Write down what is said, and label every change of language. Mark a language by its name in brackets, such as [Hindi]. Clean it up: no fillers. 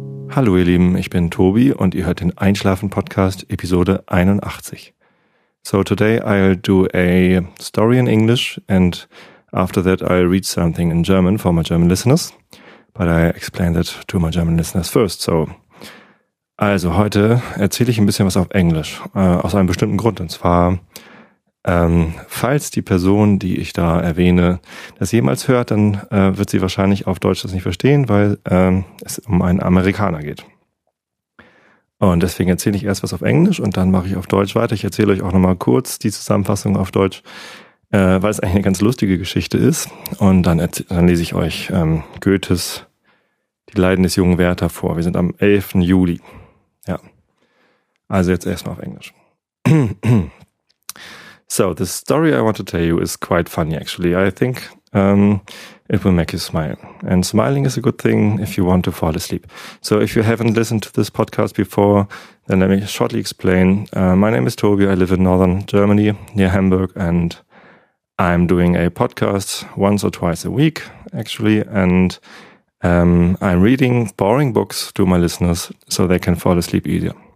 [German] Hallo ihr Lieben, ich bin Tobi und ihr hört den Einschlafen-Podcast Episode 81. [English] So today I'll do a story in English and after that I'll read something in German for my German listeners. But I explain that to my German listeners first. [German] So, also heute erzähle ich ein bisschen was auf Englisch, aus einem bestimmten Grund. Und zwar, falls die Person, die ich da erwähne, das jemals hört, dann wird sie wahrscheinlich auf Deutsch das nicht verstehen, weil es um einen Amerikaner geht. Und deswegen erzähle ich erst was auf Englisch und dann mache ich auf Deutsch weiter. Ich erzähle euch auch nochmal kurz die Zusammenfassung auf Deutsch, weil es eigentlich eine ganz lustige Geschichte ist. Und dann lese ich euch Goethes Die Leiden des jungen Werther vor. Wir sind am 11. Juli. Ja. Also jetzt erstmal auf Englisch. [English] So, the story I want to tell you is quite funny, actually. I think it will make you smile. And smiling is a good thing if you want to fall asleep. So if you haven't listened to this podcast before, then let me shortly explain. My name is Tobi. I live in northern Germany, near Hamburg, and I'm doing a podcast once or twice a week, actually, and I'm reading boring books to my listeners so they can fall asleep easier.